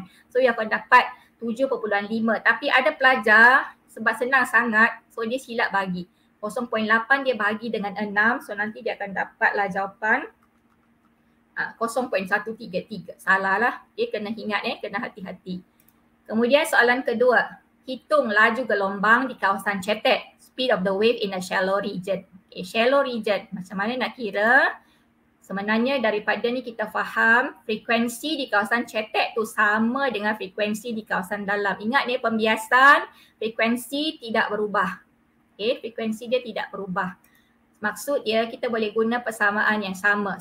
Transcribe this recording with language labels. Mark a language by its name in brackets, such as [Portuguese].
[Malay] So yang akan dapat 7.5. Tapi ada pelajar sebab senang sangat, so dia silap bagi. 0.8 dia bagi dengan 6, so nanti dia akan dapatlah jawapan 0.133. Salahlah. Okay, kena ingat eh, kena hati-hati. Kemudian soalan kedua, hitung laju gelombang di kawasan cetek. [English] Speed of the wave in a shallow region. [Malay] Okay, shallow region, macam mana nak kira? Sebenarnya daripada ni kita faham frekuensi di kawasan cetek tu sama dengan frekuensi di kawasan dalam. Ingat ni pembiasan, frekuensi tidak berubah. Okay, frekuensi dia tidak berubah. Maksud dia kita boleh guna persamaan yang sama.